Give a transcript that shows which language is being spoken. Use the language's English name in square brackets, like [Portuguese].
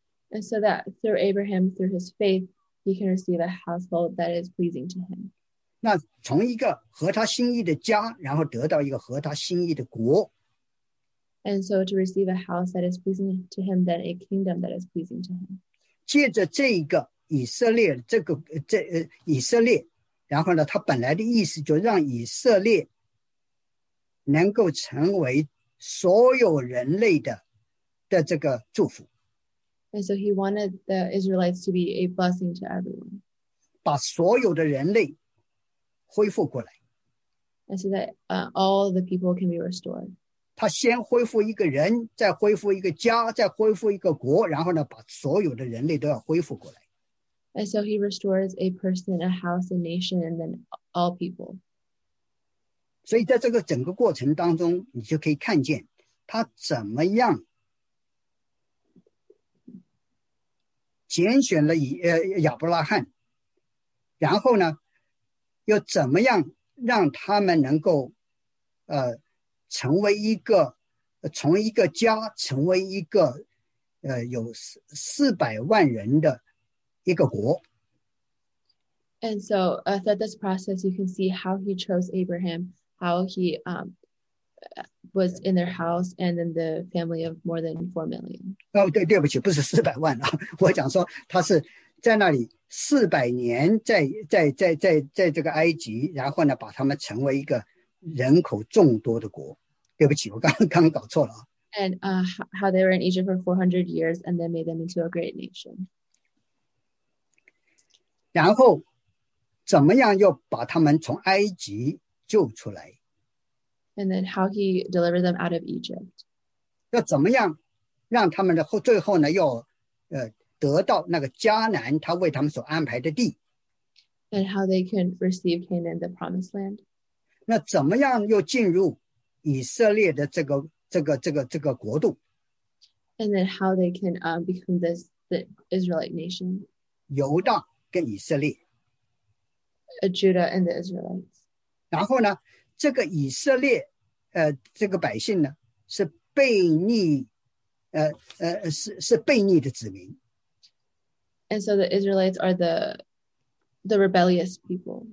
[English] And so that through Abraham, through his faith, he can receive a household that is pleasing to him. [Chinese] 那从一个合他心意的家，然后得到一个合他心意的国。 [English] And so to receive a house that is pleasing to him, then a kingdom that is pleasing to him. [Chinese] 借着这一个以色列，以色列，然后呢，他本来的意思就让以色列能够成为所有人类的这个祝福。 [English] And so he wanted the Israelites to be a blessing to everyone. [Chinese] 把所有的人类恢复过来。 [English] And so that all the people can be restored. [Chinese] 他先恢复一个人，再恢复一个家，再恢复一个国，然后呢，把所有的人类都要恢复过来。 [English] And so he restores a person, a house, a nation, and then all people. [Chinese] 所以在这个整个过程当中，你就可以看见他怎么样拣选了亚伯拉罕，然后呢，又怎么样让他们能够，成为一个，从一个家成为一个，有400万人的一个国。 [English] And so, through this process, you can see how he chose Abraham, how he was in their house and in the family of more than 4 million. [Chinese] 哦，对不起，不是四百万啊，我讲说他是在那里400年在这个埃及，然后呢把他们成为一个人口众多的国。对不起，我刚搞错了。 [English] And how they were in Egypt for 400 years and then made them into a great nation. [Chinese] 然后怎么样又把他们从埃及救出来。 [English] And then how he delivered them out of Egypt. [Chinese] 要怎么样让他们的后最后呢又得到那个迦南他为他们所安排的地。 [English] And how they can receive Canaan, the promised land. [Chinese] 那怎么样又进入以色列的这个国度。 [English] And then how they can become the Israelite nation. [Chinese] 犹大跟以色列。 [English] Judah and the Israelites. [Chinese] 然后呢这个以色列这个百姓呢是悖逆是悖逆的子民。 [English] And so the Israelites are the rebellious people.